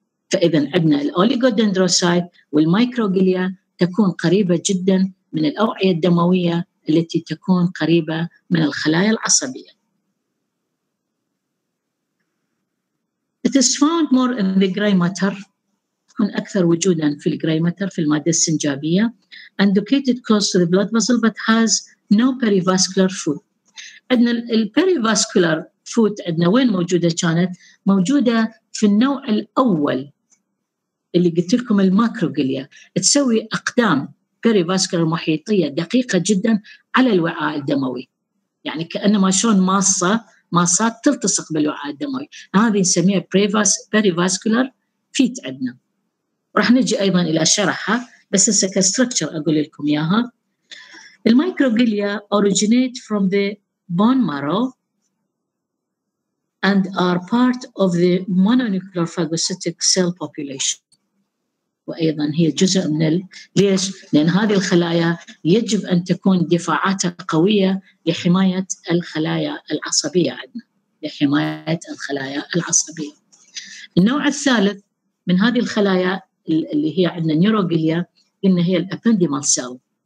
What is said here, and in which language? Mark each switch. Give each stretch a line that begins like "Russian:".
Arabic: فإذا عندنا الأوليغودندروسايت والميكروغليا تكون قريبة جدا من الأوعية الدموية التي تكون قريبة من الخلايا العصبية.
English: It is found more in the gray matter،
Arabic: تكون أكثر وجوداً في الجراي ماتر في المادة السنجابية.
English: and located close to the blood vessel but has no perivascular foot.
Arabic: عندنا الperivascular foot عندنا وين موجودة؟ كانت موجودة في النوع الأول اللي قلت لكم الماكروغليا تسوي أقدام بيريفاسكولار محيطية دقيقة جدا على الوعاء الدموي، يعني كأنما شون ماسات تلتصق بالوعاء الدموي، هذه نسميها بيريفاسكولار فيت عندنا. راح نجي أيضا إلى شرحها بس هسه كستركتشر أقول لكم إياها.
English: الميكروغليا originate from the bone marrow and are part of the mononuclear phagocytic cell population.
Arabic: وأيضا هي جزء من ليش؟ لأن هذه الخلايا يجب أن تكون دفاعاتها قوية لحماية الخلايا العصبية عندنا، لحماية الخلايا العصبية. النوع الثالث من هذه الخلايا اللي هي عندنا نيوروغليا إن هي الأبنديمال سيل.